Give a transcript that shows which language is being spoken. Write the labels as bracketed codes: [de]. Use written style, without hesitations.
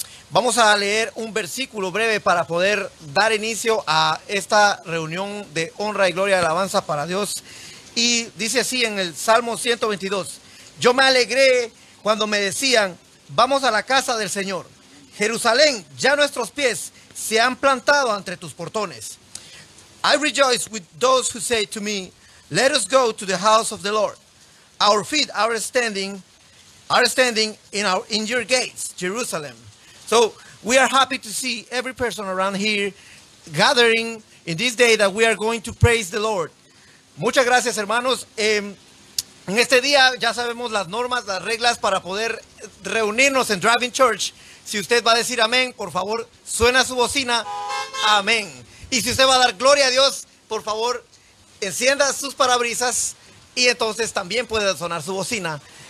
[es] Vamos a leer un versículo breve para poder dar inicio a esta reunión de honra y gloria y alabanza para Dios. Y dice así en el Salmo 122. Yo me alegré cuando me decían, vamos a la casa del Señor. Jerusalén, ya nuestros pies se han plantado entre tus portones. [en] I rejoice with those who say to me, let us go to the house of the Lord. Our feet are standing in your gates, Jerusalem. So we are happy to see every person around here gathering in this day that we are going to praise the Lord. [es] Muchas gracias, hermanos. En este día ya sabemos las normas, las reglas para poder reunirnos en Driving Church. Si usted va a decir amén, por favor, suena su bocina. Amén. Y si usted va a dar gloria a Dios, por favor, encienda sus parabrisas y entonces también puede sonar su bocina.